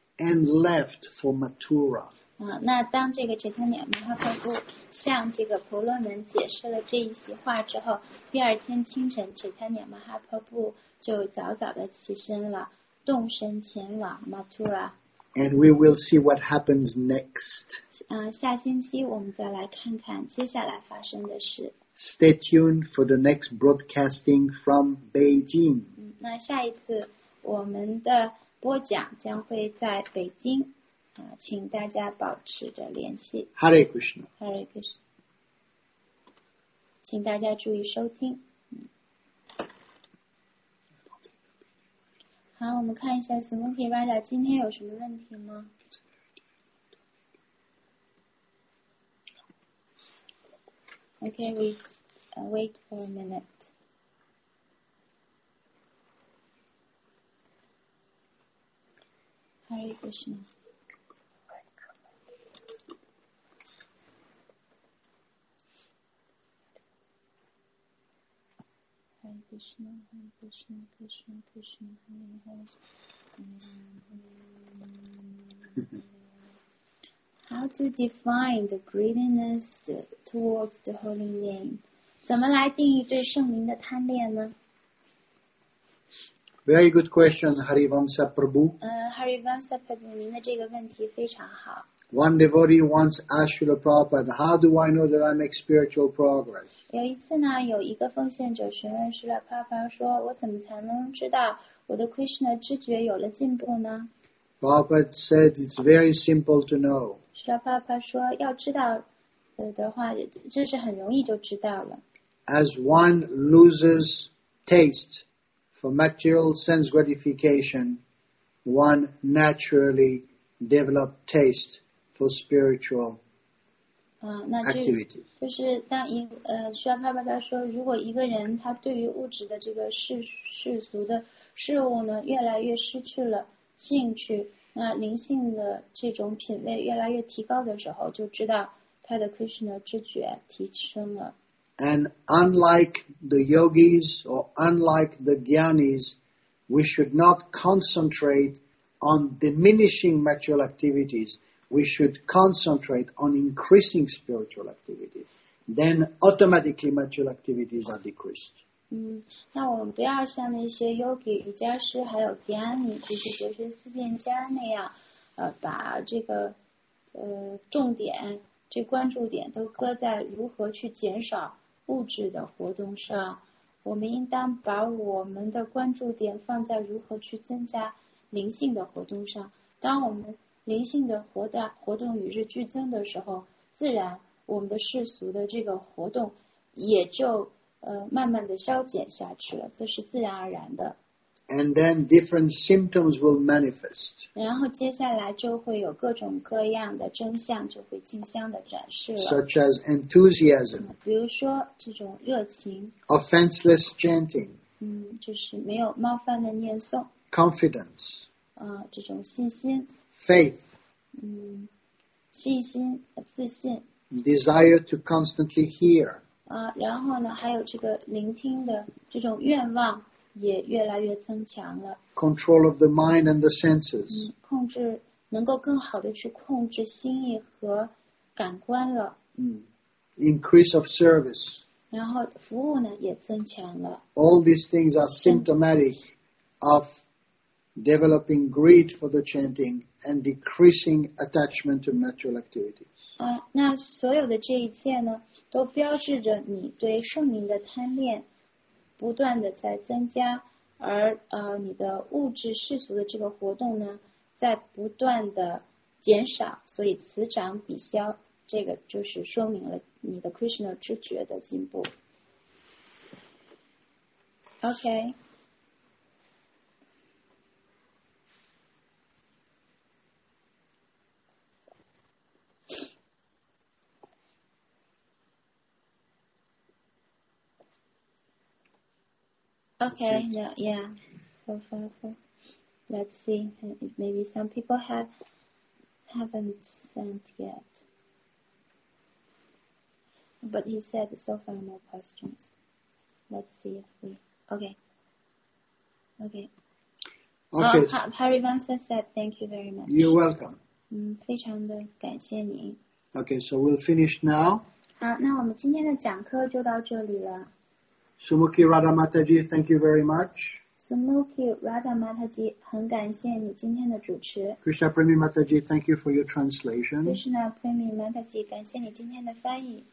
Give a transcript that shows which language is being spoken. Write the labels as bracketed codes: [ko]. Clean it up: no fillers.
[en] And left for Mathura. [zh] 那当这个杰特娘们他会不向这个婆罗门解释了这一席话之后，第二天清晨，杰特娘们哈婆布就早早的起身了，动身前往 Mathura. [en] And we will see what happens next. [zh] 下星期我们再来看看接下来发生的事。 [en] Stay tuned for the next broadcasting from Beijing. [zh] 那下一次我们的播讲将会在北京。请大家保持着联系。 [sa] Hare Krishna. Hare Krishna. [zh] 请大家注意收听。好，我们看一下 Smoky Raja 今天有什么问题吗？ [en] Okay, we wait for a minute. [sa] Hare Krishna. Hare Krishna, Hare Krishna, Krishna Krishna, Hare [en] How to define the greediness towards the holy name? [zh] 怎么来定义对圣名的贪恋呢？ [en] Very good question, Harivamsa Prabhu. [zh] Harivamsa Prabhu, 您的这个问题非常好。 [en] One devotee once asked Srila Prabhupada, how do I know that I make spiritual progress? [zh] 有一次呢，有一个奉献者询问Srila Prabhupada说，我怎么才能知道我的 Krishna 知觉有了进步呢？ [en] Prabhupada said, it's very simple to know. [zh] Srila Prabhupada 说要知道的话这是很容易就知道了。 [en] As one loses taste for material sense gratification, one naturally develops taste for spiritual activities. [zh] 就是当一个Srila Prabhupada 说如果一个人他对于物质的这个 世俗的事物呢越来越失去了兴趣那灵性的这种品位越来越提高的时候就知道他的 Krishna 知觉提升了。 [en] And unlike the yogis or unlike the gyanis, we should not concentrate on diminishing material activities. We should concentrate on increasing spiritual activities. Then automatically material activities are decreased. [zh] 那我们不要像那些 Yogi 瑜伽师还有 Dhyani 这些觉知思辨家那样把这个重点这关注点都搁在如何去减少物质的活动上我们应当把我们的关注点放在如何去增加灵性的活动上当我们灵性的活动与日俱增的时候自然我们的世俗的这个活动也就慢慢的消减下去了，这是自然而然的。 [en] And then different symptoms will manifest. [zh] 然后接下来就会有各种各样的征象，就会镜像的展示了。 [en] Such as enthusiasm. [zh] 比如说这种热情。 [en] Offenseless chanting. [zh] 就是没有冒犯的念诵。 [en] Confidence. [zh] 这种信心。 [en] Faith. [zh] 信心，自信。 [en] Desire to constantly hear. [zh] 然后呢还有这个聆听的这种愿望也越来越增强了。 [en] Control of the mind and the senses. [zh] 控制能够更好的去控制心意和感官了。 [en] Increase of service. [zh] 然后服务呢也增强了。 [en] All these things are symptomatic of developing greed for the chanting and decreasing attachment to material activities. [zh] 那所有的这一切呢都标志着你对圣名的贪恋不断的在增加而你的物质世俗的这个活动呢在不断的减少所以此长彼消这个就是说明了你的 Krishna 知觉的进步 OK [en] Okay, yeah, so far, let's see if maybe some people haven't sent yet. But he said so far no questions. Let's see if we, okay. Okay. Oh, Harivamsa said thank you very much. You're welcome. [zh] 非常的感谢你。 [en] Okay, so we'll finish now. [zh] 好，那我们今天的讲课就到这里了。 [en] Sumukhi Radha Mataji, thank you very much. [zh] Sumukhi Radha Mataji, 很感谢你今天的主持。 [en] Krishna Premi Mataji, thank you for your translation. [zh] Krishna Premi Mataji, 感谢你今天的翻译。